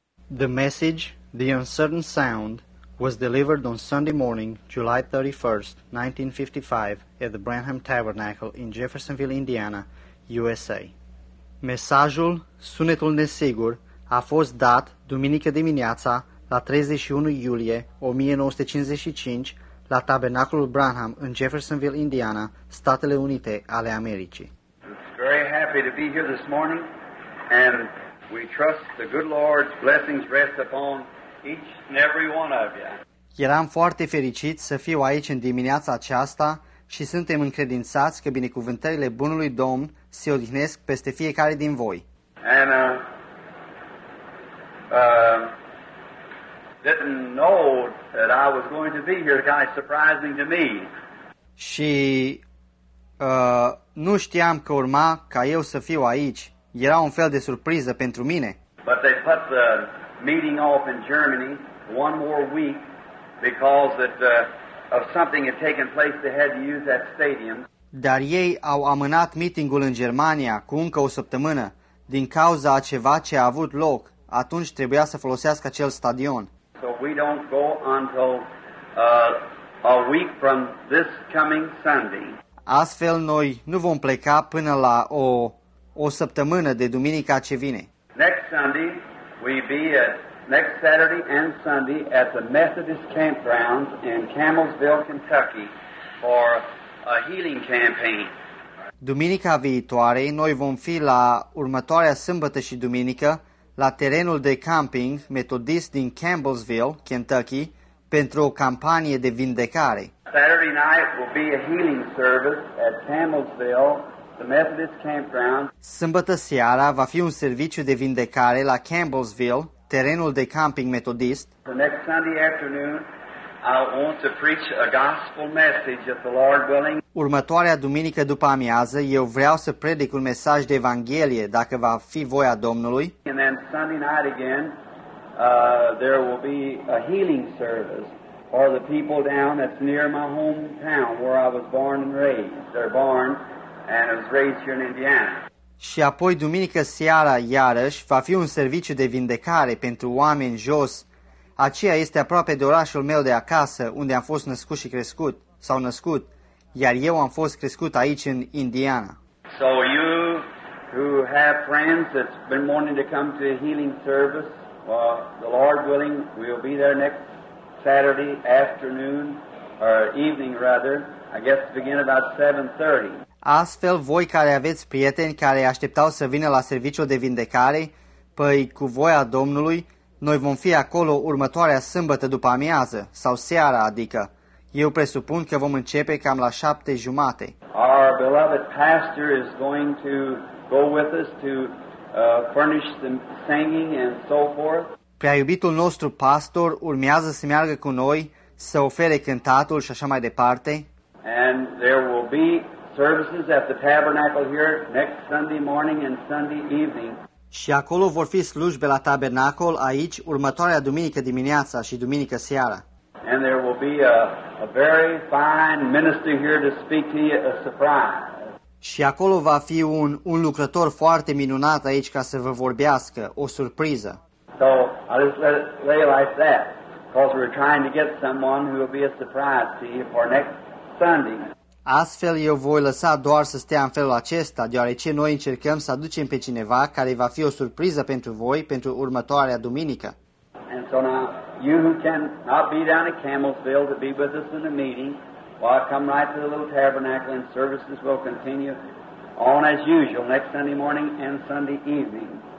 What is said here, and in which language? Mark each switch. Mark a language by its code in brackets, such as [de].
[en] The message, The Uncertain Sound, was delivered on Sunday morning, July 31st, 1955, at the Branham Tabernacle in Jeffersonville, Indiana, USA. [ro] Mesajul, Sunetul Nesigur, a fost dat duminică dimineața la 31 iulie 1955 la Tabernacul Branham în Jeffersonville, Indiana, Statele Unite ale Americii. [en] Very happy to be here this morning, and we trust the good Lord's blessings rest upon each and every one of you. [ro] Eram foarte fericit să fiu aici în dimineața aceasta și suntem încredințați că binecuvântările bunului Domn se odihnesc peste fiecare din voi. [en] And didn't know that I was going to be here, kind of surprising to me. [ro] Și nu știam că urma ca eu să fiu aici. Era un fel de surpriză pentru mine. [en] But they put the meeting off in Germany one more week because of something had taken place. They had to use that stadium. [ro] Dar ei au amânat meetingul în Germania cu încă o săptămână din cauza a ceva ce a avut loc. Atunci trebuia să folosească acel stadion. [en] So we don't go until a week from this coming Sunday. [ro] Astfel, noi nu vom pleca până la o săptămână de duminica ce vine. [en] Next Sunday, next Saturday and Sunday at the Methodist campgrounds in Campbellsville, Kentucky, for a healing campaign. [ro] Duminica viitoare, noi vom fi la următoarea sâmbătă și duminică la terenul de camping metodist din Campbellsville, Kentucky, pentru o campanie de vindecare. [en] Saturday night will be a healing service at Campbellsville, the Methodist campground. [ro] Sâmbătă seara va fi un serviciu de vindecare la Campbellsville, terenul de camping metodist. [en] The next Sunday afternoon, I want to preach a gospel message at the Lord willing. [ro] Următoarea duminică după amiază, eu vreau să predic un mesaj de evanghelie, dacă va fi voia Domnului. [en] And then Sunday night again, there will be a healing service. Or the people down that's near my hometown where I was born and raised. They're born and I was raised here in Indiana. [ro] Și apoi duminică seara iarăși va fi un serviciu de vindecare pentru oameni jos. Aceea este aproape de orașul meu de acasă, unde am fost născut și crescut, sau născut, iar eu am fost crescut aici în Indiana. [en] So you who have friends that's been wanting to come to a healing service, the Lord willing, we'll be there next Saturday afternoon, or evening rather, I guess to begin about 7:30. [ro] Astfel, voi care aveți prieteni care așteptau să vină la serviciul de vindecare, păi cu voia Domnului, noi vom fi acolo următoarea sâmbătă după amiază, sau seara, adică. Eu presupun că vom începe cam la 7:30. [en] Our beloved pastor is going to go with us to furnish the singing and so forth. [ro] Prea iubitul nostru pastor urmează să meargă cu noi, să ofere cântatul și așa mai departe. [en] And there will be services at the tabernacle here next Sunday morning and Sunday evening. [ro] Și acolo vor fi slujbe la tabernacol aici următoarea duminică dimineața și duminică seara. [en] And there will be a very fine minister here to speak to you a surprise. [ro] Și acolo va fi un lucrător foarte minunat aici ca să vă vorbească, o surpriză. [en] So I'll just let it lay like that, because we're trying to get someone who will be a surprise to you for next Sunday. [ro] Astfel eu voi lăsa doar să stea în felul acesta, deoarece noi încercăm să aducem pe cineva care va fi o surpriză pentru voi pentru următoarea duminică. [en] And so now, you who cannot be down at Campbellsville to be with us in the meeting, well, I'll come right to the little tabernacle and services will continue on as usual next Sunday morning and Sunday evening.